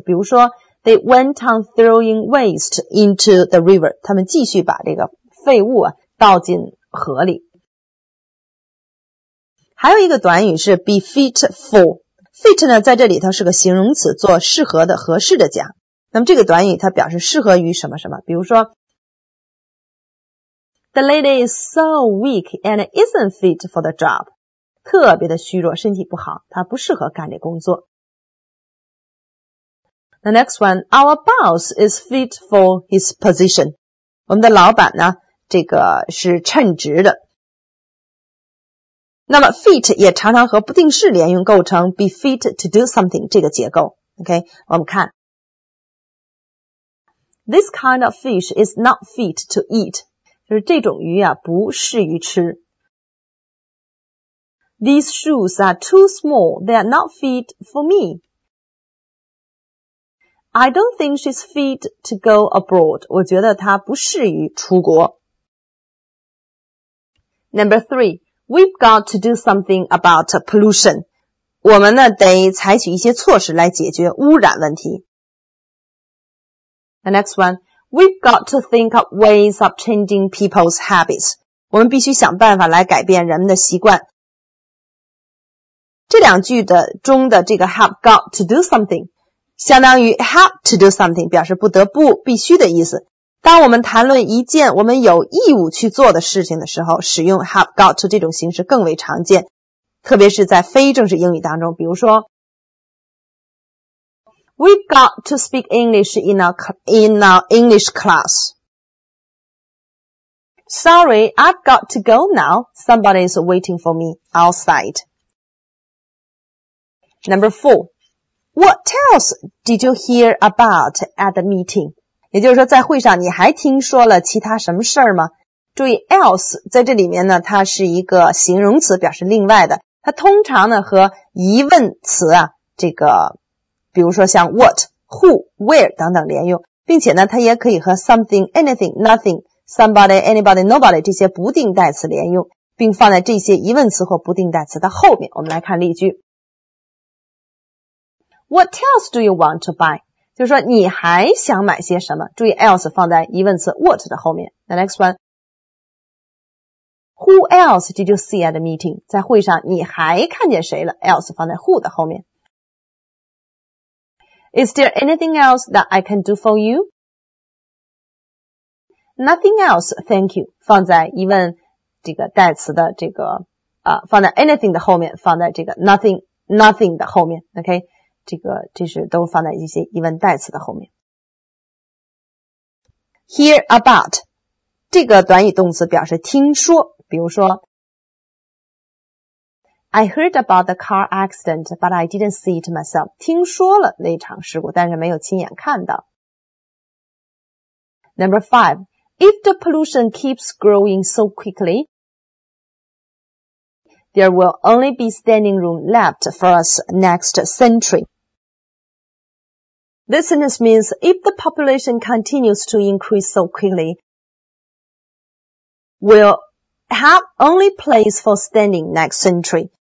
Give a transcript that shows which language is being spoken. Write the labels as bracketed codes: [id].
[zh] 比如说 [en] they went on throwing waste into the river. [zh] 他们继续把这个废物倒进河里。还有一个短语是 be fit for. Fit 呢在这里头是个形容词，做适合的合适的讲。那么这个短语它表示适合于什么什么，比如说 [en] The lady is so weak and isn't fit for the job. [zh] 特别的虚弱，身体不好，她不适合干这工作。 [en] The next one, our boss is fit for his position. [zh] 我们的老板呢，这个是称职的。那么 fit 也常常和不定式连用构成 be fit to do something 这个结构 OK 我们看 [en] This kind of fish is not fit to eat [zh] 就是这种鱼啊不适于吃 [en] These shoes are too small They are not fit for me I don't think she's fit to go abroad [zh] 我觉得她不适于出国 [en] Number 3We've got to do something about pollution. [zh] 我们呢得采取一些措施来解决污染问题。 [en] The next one, We've got to think of ways of changing people's habits. [zh] 我们必须想办法来改变人们的习惯。这两句的中的这个 have got to do something, 相当于 have to do something, 表示不得不必须的意思。当我们谈论一件我们有义务去做的事情的时候，使用 have got to 这种形式更为常见，特别是在非正式英语当中，比如说 [en] We've got to speak English in our English class. Sorry, I've got to go now. Somebody is waiting for me outside. Number four. What else did you hear about at the meeting? [zh] 也就是说在会上你还听说了其他什么事儿吗？注意 else 在这里面呢，它是一个形容词，表示另外的，它通常呢和疑问词啊，这个比如说像 what, who, where 等等连用，并且呢它也可以和 something, anything, nothing, somebody, anybody, nobody 这些不定代词连用，并放在这些疑问词或不定代词的后面。我们来看例句。 [en] What else do you want to buy? [zh] 就是说你还想买些什么，注意 else 放在疑问词 what 的后面。 [en] The next one, Who else did you see at the meeting? [zh] 在会上你还看见谁了， else 放在 who 的后面。 [en] Is there anything else that I can do for you? Nothing else, thank you, [zh] 放在疑问这个代词的这个放在 anything 的后面，放在这个 nothing 的后面， OK? 这是都放在一些疑问代词的后面。 [en] Hear about, [zh] 这个短语动词表示听说，比如说 [en] I heard about the car accident, but I didn't see it myself. [zh] 听说了那场事故，但是没有亲眼看到。 [en] Number five, if the pollution keeps growing so quickly, there will only be standing room left for us next century. This sentence means, if the population continues to increase so quickly, we'll have only place for standing next century.